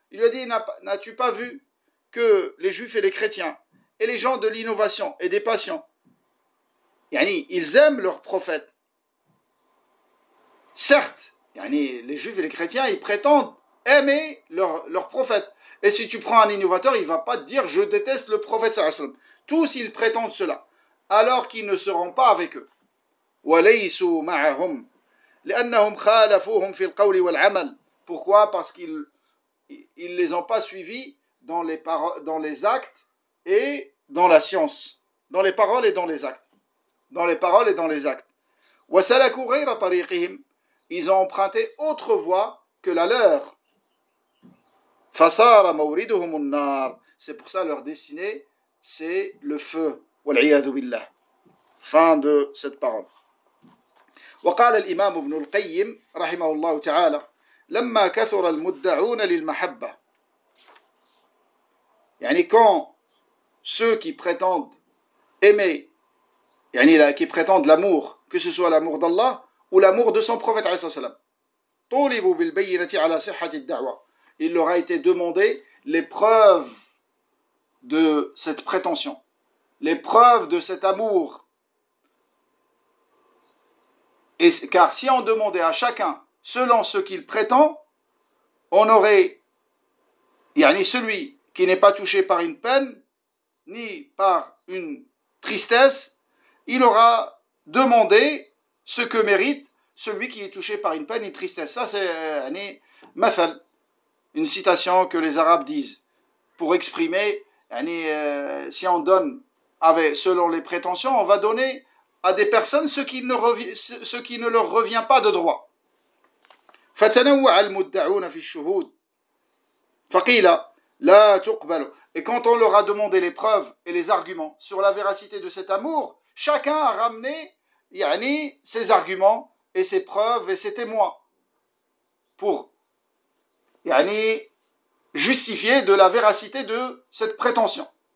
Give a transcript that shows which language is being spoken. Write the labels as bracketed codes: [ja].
[fr] Il lui a dit, n'as-tu pas vu que les juifs et les chrétiens et les gens de l'innovation et des passions, yani, ils aiment leurs prophètes. Certes, yani, les juifs et les chrétiens, ils prétendent aimer leurs prophètes. Et si tu prends un innovateur, il ne va pas te dire « je déteste le prophète ». Tous ils prétendent cela, alors qu'ils ne seront pas avec eux. [ar] وليسوا معهم لأنهم خالفوهم في القول والعمل. [fr] Pourquoi? Parce qu'ils les ont pas suivis dans les paroles, dans les actes et dans la science, dans les paroles et dans les actes, dans les paroles et dans les actes. [ar] وسلكوا غير طريقهم. [fr] Ils ont emprunté autre voie que la leur. [ar] فصار موردهم النار. [fr] C'est pour ça leur destinée, c'est le feu. [ar] والعياذ بالله. [fr] Fin de cette parole. [ar] وقال الإمام ابن القيم رحمه الله تعالى لما كثر المدعون للمحبة. [fr] يعني quand ceux qui prétendent aimer, يعني qui prétendent l'amour, que ce soit l'amour d'Allah ou l'amour de son prophète عليه الصلاة والسلام, [ar] طلبوا بالبينة على صحة الدعوة. [fr] Il leur a été demandé les preuves de cette prétention, les preuves de cet amour. Et car si on demandait à chacun selon ce qu'il prétend, on aurait, yani celui qui n'est pas touché par une peine, ni par une tristesse, il aura demandé ce que mérite celui qui est touché par une peine, une tristesse. Ça c'est yani, mathal, une citation que les Arabes disent, pour exprimer, yani, si on donne avec, selon les prétentions, on va donner à des personnes ce qui ne leur revient pas de droit. [ar] فتنوع المدعون في الشهود فقيل لا تقبل. [fr] Et quand on leur a demandé les preuves et les arguments sur la véracité de cet amour, chacun a ramené yani ses arguments et ses preuves et ses témoins pour yani justifier de la véracité de cette prétention.